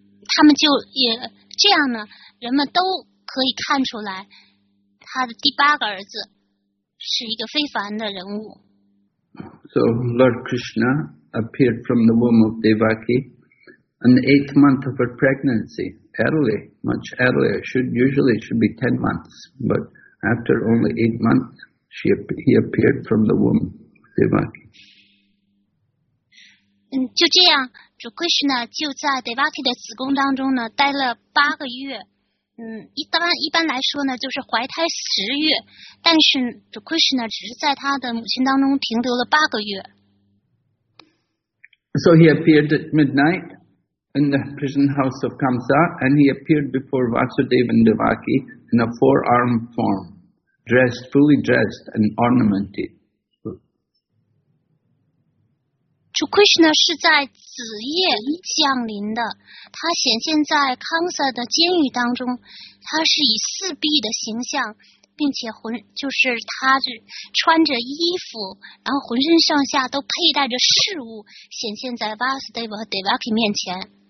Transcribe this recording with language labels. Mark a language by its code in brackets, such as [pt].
[zh] 他们就也这样呢，人们都可以看出来，他的第八个儿子是一个非凡的人物。 [en] So Lord Krishna appeared from the womb of Devaki in the eighth month of her pregnancy, early, much earlier. Usually it should be 10 months, but after only 8 months, he appeared from the womb of Devaki. [zh] 就这样，主 Krishna 就在 Devaki 的子宫当中呢待了八个月。一般来说呢，就是怀胎十月，但是主 Krishna 只是在他的母亲当中停留了八个月。 [en] So he appeared at midnight in the prison house of Kamsa, and he appeared before Vasudeva and Devaki in a four-armed form, dressed, fully dressed and ornamented. [zh] 主 Krishna 是在子夜降临的，他显现在 Kamsa 的监狱当中，他是以四臂的形象，并且他是穿着衣服，然后浑身上下都佩戴着饰物，显现在 Vasudeva 和 Devaki 面前。